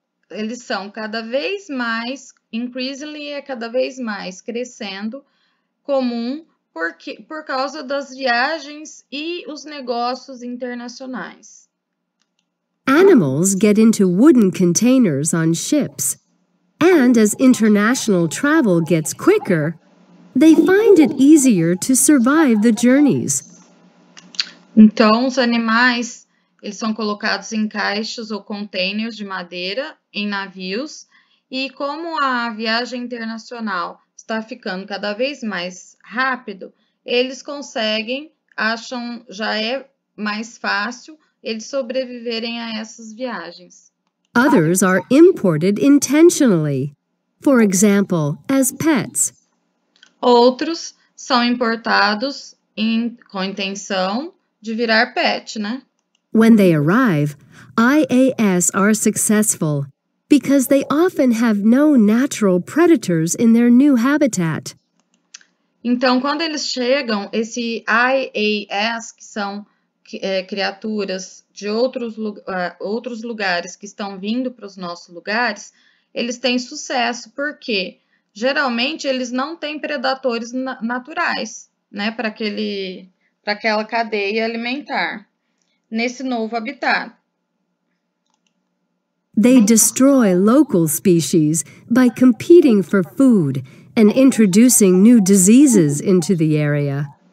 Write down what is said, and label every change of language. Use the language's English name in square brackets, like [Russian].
[Portuguese] Eles são cada vez mais, increasingly é cada vez mais crescendo comum por causa das viagens e os negócios internacionais. [English] Animals get into wooden containers on ships. And as international travel gets quicker, they find it easier to survive the journeys. [Portuguese] Então, os animais, eles são colocados em caixas ou containers de madeira em navios. E como a viagem internacional está ficando cada vez mais rápido, eles conseguem, acham, já é mais fácil eles sobreviverem a essas viagens. [English] Others are imported intentionally, for example, as pets. [Portuguese] Outros são importados com intenção de virar pet, né? [English] When they arrive, IAS are successful, because they often have no natural predators in their new habitat. [Portuguese] Então, quando eles chegam, esse IAS, que são criaturas de outros lugares que estão vindo para os nossos lugares, eles têm sucesso, porque geralmente eles não têm predadores naturais, né, para aquela cadeia alimentar nesse novo habitat. [English] They destroy local species by competing for food and introducing new diseases into the area.